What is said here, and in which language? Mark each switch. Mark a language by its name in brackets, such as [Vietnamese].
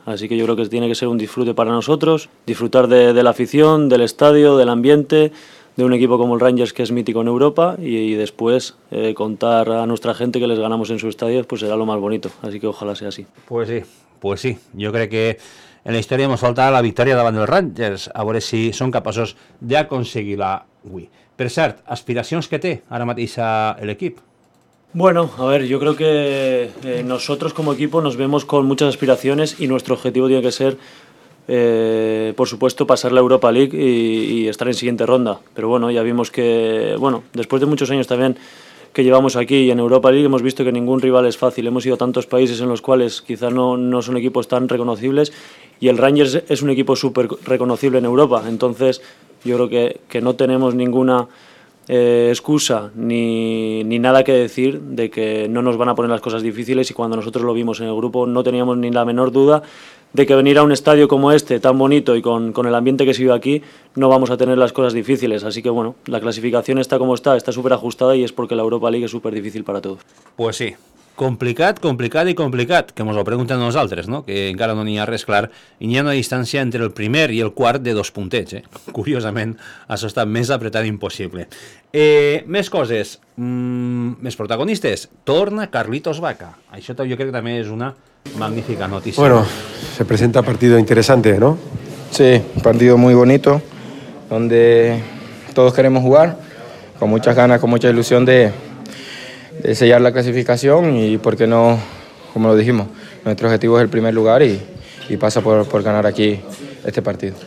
[Spanish] Así que yo creo que tiene que ser un disfrute para nosotros, disfrutar de la afición, del estadio, del ambiente, de un equipo como el Rangers, que es mítico en Europa, y después contar a nuestra gente que les ganamos en su estadio, pues será lo más bonito. Así que ojalá sea así. Pues sí. Yo creo que en la historia hemos faltado la victoria davant del Rangers. A ver si son capaces de aconseguirla hoy. Per cert, aspiracions que té ara mateix el equip? Bueno, a ver, yo creo que nosotros como equipo nos vemos con muchas aspiraciones y nuestro objetivo tiene que ser, por supuesto, pasar la Europa League y estar en siguiente ronda. Pero bueno, ya vimos que, bueno, después de muchos años también que llevamos aquí y en Europa League hemos visto que ningún rival es fácil. Hemos ido a tantos países en los cuales quizá no son equipos tan reconocibles y el Rangers es un equipo súper reconocible en Europa, entonces yo creo que no tenemos ninguna excusa ni nada que decir de que no nos van a poner las cosas difíciles y cuando nosotros lo vimos en el grupo no teníamos ni la menor duda de que venir a un estadio como este, tan bonito y con el ambiente que se vive aquí, no vamos a tener las cosas difíciles. Así que bueno, la clasificación está como está súper ajustada y es porque la Europa League es súper difícil para todos. [Catalan] Pues sí. Complicat, que ens ho pregunten nosaltres, no? Que encara no n'hi ha res clar, i n'hi ha una distància entre el primer i el quart de dos punteig. Curiosament, això està més apretat impossible. Més coses, més protagonistes. Torna Carlitos Bacca. Això jo crec que també és una magnífica notícia. [Spanish] Bueno, se presenta partido interesante, ¿no? Sí, partido muy bonito, donde todos queremos jugar, con muchas ganas, con mucha ilusión de sellar la clasificación y por qué no, como lo dijimos, nuestro objetivo es el primer lugar y pasa por ganar aquí este partido.